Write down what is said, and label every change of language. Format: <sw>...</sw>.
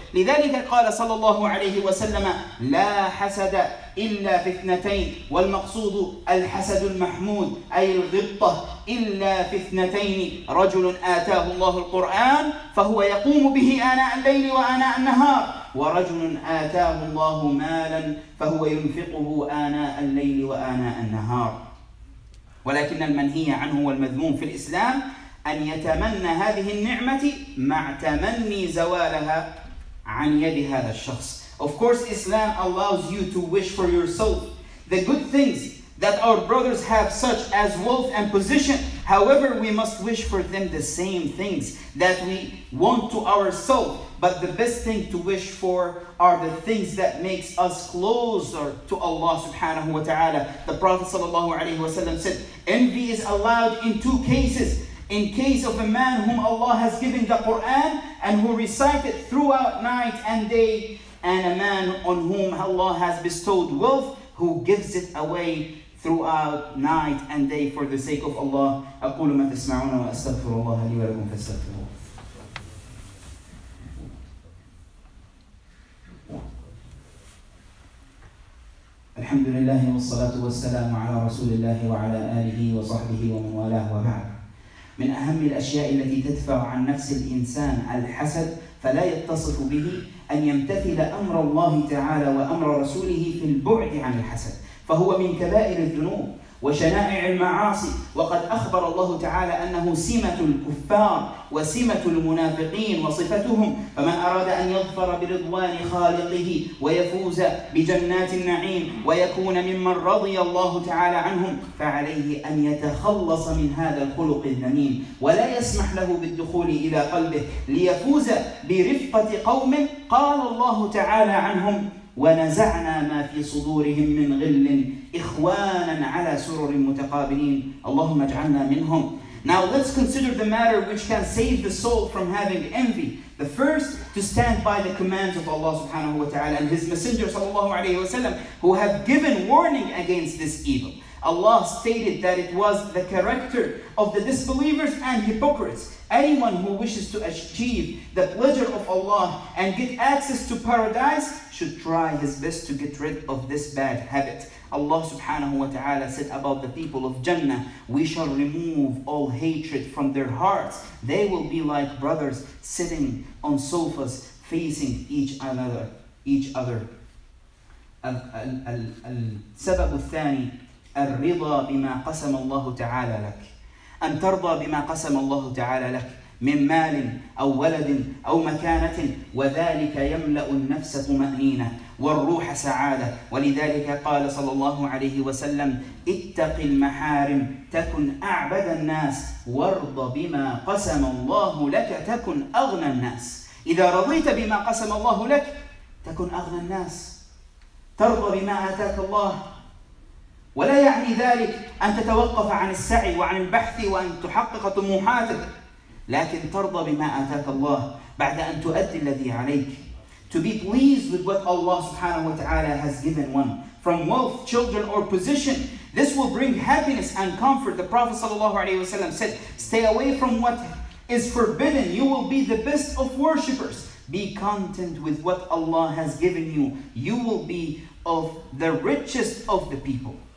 <ar>لذلك قال صلى الله عليه وسلم لا حسد إلا في اثنتين والمقصود الحسد المحمود أي الغبطة إلا في اثنتين رجل آتاه الله القرآن فهو يقوم به آناء الليل وآناء النهار ورجل آتاه الله مالا فهو ينفقه آناء الليل وآناء النهار. ولكن المنهي عنه والمذموم في الإسلام أن يتمنى هذه النعمة مع تمني زوالها عن يد هذا الشخص.</ar> <en>Of course, Islam allows you to wish for yourself the good things that our brothers have, such as wealth and position. However, we must wish for them the same things that we want to ourselves. But the best thing to wish for are the things that makes us closer to Allah subhanahu wa ta'ala. The Prophet sallallahu alayhi wa sallam said, envy is allowed in two cases. In case of a man whom Allah has given the Quran and who recites it throughout night and day, and a man on whom Allah has bestowed wealth who gives it away throughout night and day for the sake of Allah.</en> <ar>أقول ما تسمعون وأستغفر الله لي ولكم فاستغفروه. الحمد لله. الحمد لله والصلاة والسلام على رسول الله وعلى آله وصحبه ومن والاه وبعد. من أهم الأشياء التي تدفع عن نفس الإنسان الحسد فلا يتصف به أن يمتثل أمر الله تعالى وأمر رسوله في البعد عن الحسد، فهو من كبائر الذنوب وشنائع المعاصي، وقد أخبر الله تعالى أنه سمة الكفار وسمة المنافقين وصفتهم. فمن أراد أن يظفر برضوان خالقه ويفوز بجنات النعيم ويكون ممن رضي الله تعالى عنهم، فعليه أن يتخلص من هذا الخلق الذميم ولا يسمح له بالدخول إلى قلبه، ليفوز برفقة قوم قال الله تعالى عنهم: ونزعنا ما في صدورهم من غل إخوانا على سرر متقابلين. اللهم اجعلنا منهم.</ar> <en>Now let's consider the matter which can save the soul from having envy. The first, to stand by the commands of Allah subhanahu wa ta'ala and His Messenger sallallahu alayhi wa sallam, who have given warning against this evil. Allah stated that it was the character of the disbelievers and hypocrites. Anyone who wishes to achieve the pleasure of Allah and get access to paradise should try his best to get rid of this bad habit. Allah subhanahu wa ta'ala said about the people of Jannah, "We shall remove all hatred from their hearts. They will be like brothers sitting on sofas facing each other.</en> <ar>السبب الثاني الرضا بما قسم الله تعالى لك. أن ترضى بما قسم الله تعالى لك من مال أو ولد أو مكانة، وذلك يملأ النفس طمأنينة والروح سعادة. ولذلك قال صلى الله عليه وسلم: اتق المحارم تكن أعبد الناس، وارض بما قسم الله لك تكن أغنى الناس. إذا رضيت بما قسم الله لك تكن أغنى الناس، ترضى بما آتاك الله. ولا يعني ذلك أن تتوقف عن السعي وعن البحث وأن تحقق طموحاتك، لكن ترضى بما آتاك الله بعد أن تؤدي الذي عليك.</ar> <en>To be pleased with what Allah subhanahu wa ta'ala has given one, from wealth, children or position, this will bring happiness and comfort. The Prophet sallallahu alayhi wa sallam said, stay away from what is forbidden, you will be the best of worshippers. Be content with what Allah has given you, you will be of the richest of the people.</en>